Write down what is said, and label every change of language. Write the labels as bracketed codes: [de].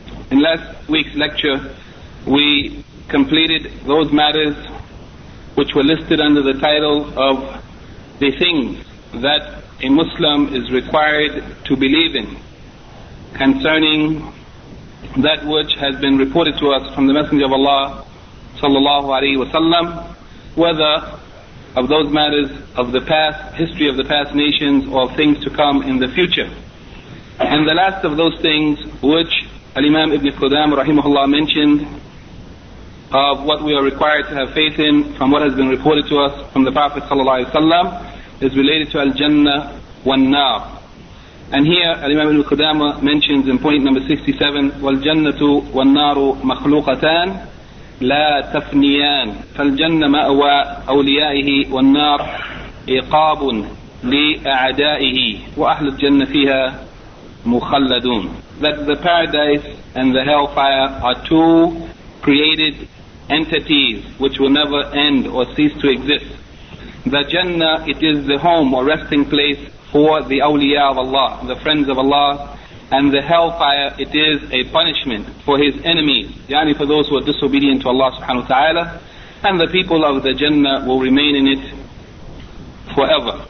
[en] In last week's lecture, we completed those matters which were listed under the title of the things that a Muslim is required to believe in concerning that which has been reported to us from the Messenger of Allah sallallahu alaihi wasallam, whether of those matters of the past, history of the past nations, or things to come in the future. And the last of those things which al-Imam Ibn Qudamah rahimahullah mentioned of what we are required to have faith in from what has been reported to us from the Prophet sallallahu alaihi wasallam is related to al-Jannah wa al-Nar. And here al-Imam Ibn Qudamah mentions in point number 67, [ar] wal-Jannatu wa al-Naru makhluqatan لا تفنيان فالجنة مأوى أوليائه والنار إقاب لأعدائه وأهل الجنة فيها مخلدون. [en] That the paradise and the hellfire are two created entities which will never end or cease to exist. The Jannah, it is the home or resting place for the awliya of Allah, the friends of Allah. And the hellfire, it is a punishment for his enemies, yani for those who are disobedient to Allah subhanahu wa ta'ala, and the people of the Jannah will remain in it forever.